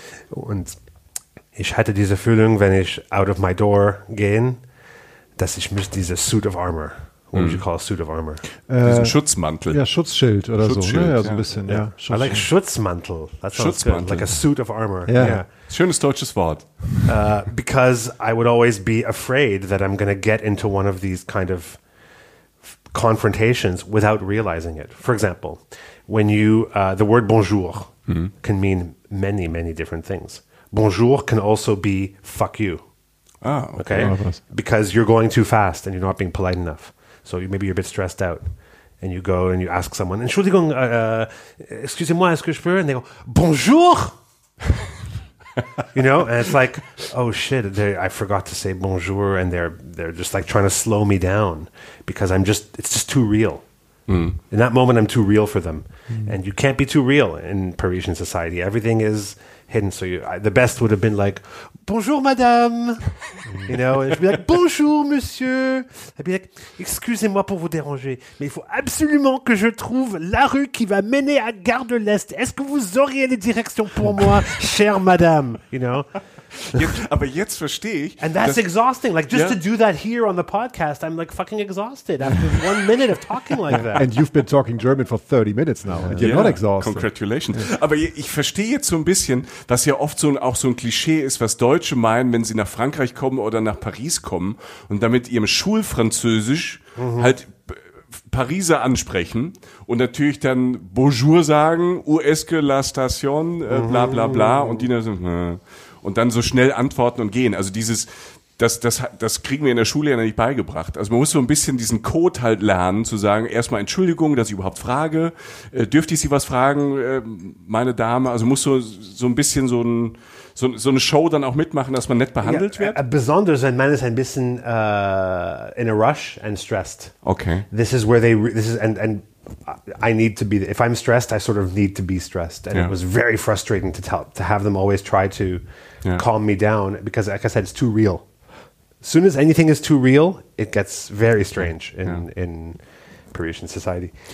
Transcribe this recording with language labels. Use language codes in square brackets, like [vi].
[de] Und ich hatte diese Fühlung, wenn ich [en] out of my door [de] gehen, dass ich mich diese [en] suit of armor, what you call a suit of armor? [de] Diesen Schutzmantel. Ja, Schutzschild oder Schutzschild, so. Ne? Ja, so ein bisschen, ja. [en] I like Schutzmantel. That Schutzmantel. Good. Like a suit of armor. Yeah. Yeah. [de] Schönes deutsches Wort. [en] Because I would always be afraid that I'm going to get into one of these kind of confrontations without realizing it. For example, when you, the word bonjour can mean many, many different things. Bonjour can also be fuck you. Ah, okay. Because you're going too fast and you're not being polite enough. So maybe you're a bit stressed out. And you go and you ask someone, Entschuldigung, [fr] excusez-moi, est-ce que je peux? [en] And they go, bonjour! You know, and it's like, oh shit, I forgot to say bonjour. And they're just like trying to slow me down because it's just too real. Mm. In that moment, I'm too real for them. And you can't be too real in Parisian society. Everything is hidden. So the best would have been like, [fr] bonjour, madame. [en] You know, and she'd be like, [fr] bonjour, monsieur. I'd be like, excusez-moi pour vous déranger, mais il faut absolument que je trouve la rue qui va mener à Gare de l'Est. Est-ce que vous auriez les directions pour moi, chère madame? [en] You know? [de] Aber jetzt verstehe ich. [en] And that's exhausting. Like, just to do that here on the podcast, I'm like fucking exhausted after 1 minute of talking like that. And you've been talking German for 30 minutes now. And you're not exhausted. Congratulations. Yeah. [de] Aber ich verstehe jetzt so ein bisschen, was ja oft so ein Klischee ist, was Deutsche meinen, wenn sie nach Frankreich kommen oder nach Paris kommen und damit ihrem Schulfranzösisch halt Pariser ansprechen und natürlich dann Bonjour sagen, [fr] où est-ce que la station, [de] bla bla bla, und die dann so, und dann so schnell antworten und gehen. Also dieses, das kriegen wir in der Schule ja nicht beigebracht. Also man muss so ein bisschen diesen Code halt lernen, zu sagen, erstmal Entschuldigung, dass ich überhaupt frage. Dürfte ich Sie was fragen, meine Dame? Also muss so ein bisschen so eine Show dann auch mitmachen, dass man nett behandelt wird? Besonders, wenn man ist ein bisschen [en] in a rush and stressed. Okay. This is where this is, and I need to be, if I'm stressed, I sort of need to be stressed. And it was very frustrating to have them always try to calm me down because, like I said, it's too real. As soon as anything is too real, it gets very strange in Parisian society.